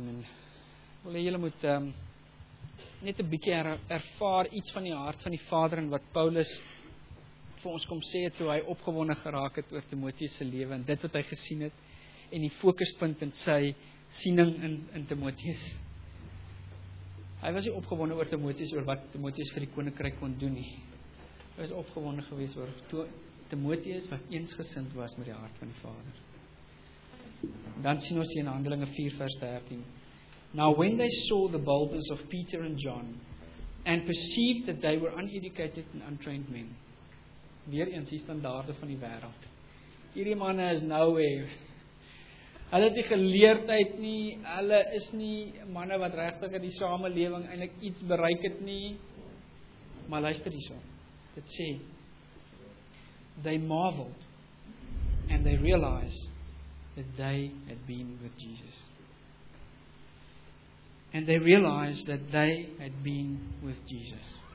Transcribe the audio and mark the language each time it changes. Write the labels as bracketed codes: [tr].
[af] En wil hê julle moet net 'n bietjie ervaar iets van die hart van die Vader en wat Paulus vir ons kom sê het toe hy opgewonde geraak het oor Timoteus se lewe en dit wat hy gesien het en die fokuspunt in sy siening in Timoteus. Hy was nie opgewonde oor Timoteus, oor wat Timoteus vir die koninkryk kon doen nie. Hy was opgewonde geweest oor Timoteus wat eensgesind was met die hart van die Vader. Dan sien ons hier in Handelinge 4 vers 13. [en] Now when they saw the boldness of Peter and John and perceived that they were uneducated and untrained men. [af] Weer eens die standaarde van die wêreld. Hierdie manne is nowhere. Hulle het die geleerdheid nie, hulle is nie manne wat regtig in die samelewing eintlik iets bereik het nie. Maar luister hierso. Dit sê [en] they marveled and they realized that they had been with Jesus. And they realized that they had been with Jesus.